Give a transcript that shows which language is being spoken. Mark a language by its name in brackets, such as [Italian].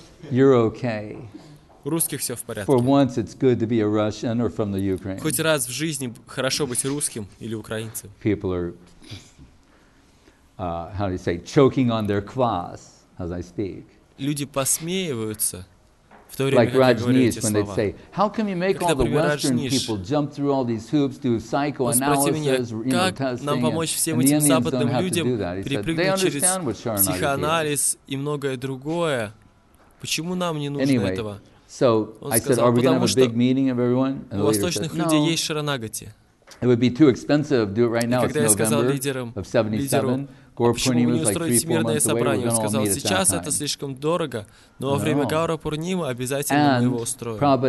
[English] You're okay. For once, it's good to be a Russian or from the Ukraine. [Russian] Хоть раз в жизни хорошо быть русским или украинцем. [English] People are, how do you say, choking on their kvass as I speak. [Russian] Люди посмеиваются. [English] Like Rajneesh, when they say, how can you make all the Western people jump through all these hoops, do psychoanalysis, you know, testing, and the Indians don't have to do that? He said, they understand what Sharanagati is. Anyway, so I said, are we going to have a big meeting of everyone? And the leader said, no. It would be too expensive to do it right now. It's November of 77. [Russian] Гаура Пурнима почему не устроить всемирное собрание? Он сказал, сейчас это слишком дорого, но во время Гаура Пурнима обязательно мы его устроим.